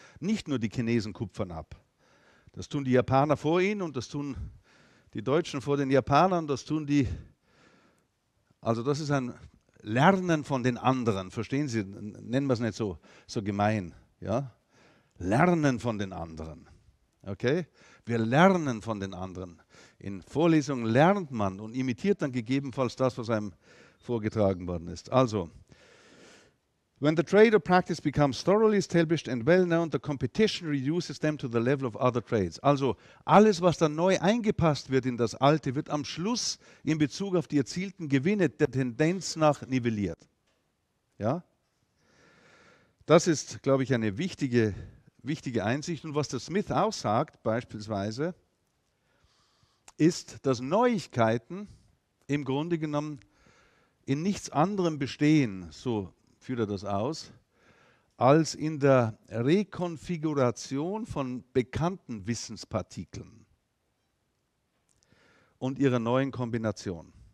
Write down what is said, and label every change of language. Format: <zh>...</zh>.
<de>Nicht nur die Chinesen kupfern ab. Das tun die Japaner vor ihnen und das tun die Deutschen vor den Japanern, das tun die, also das ist ein Lernen von den anderen, verstehen Sie, nennen wir es nicht so gemein, ja? Lernen von den anderen, okay? Wir lernen von den anderen. In Vorlesungen lernt man und imitiert dann gegebenenfalls das, was einem vorgetragen worden ist.</de> <en>Also, when the trade or practice becomes thoroughly established and well known, the competition reduces them to the level of other trades.</en> <de>Also, alles, was dann neu eingepasst wird in das Alte, wird am Schluss in Bezug auf die erzielten Gewinne der Tendenz nach nivelliert. Ja? Das ist, glaube ich, eine wichtige Einsicht. Und was der Smith auch sagt, beispielsweise, ist, dass Neuigkeiten im Grunde genommen in nichts anderem bestehen, so führt er das aus, als in der Rekonfiguration von bekannten Wissenspartikeln und ihrer neuen Kombination.</de>